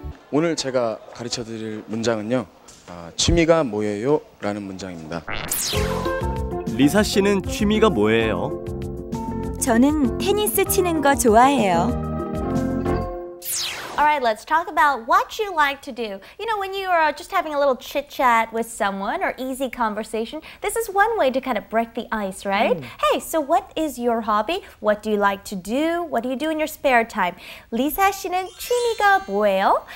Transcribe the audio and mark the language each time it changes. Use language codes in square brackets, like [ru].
[ko] 오늘 제가 가르쳐 드릴 문장은요. 취미가 뭐예요? 라는 문장입니다. 리사 씨는 취미가 뭐예요? 저는 테니스 치는 거 좋아해요. [en] All right, let's talk about what you like to do. You know, when you are just having a little chit-chat with someone or easy conversation, this is one way to kind of break the ice, right? Mm. Hey, so what is your hobby? What do you like to do? What do you do in your spare time? [ko] 리사 씨는 취미가 뭐예요?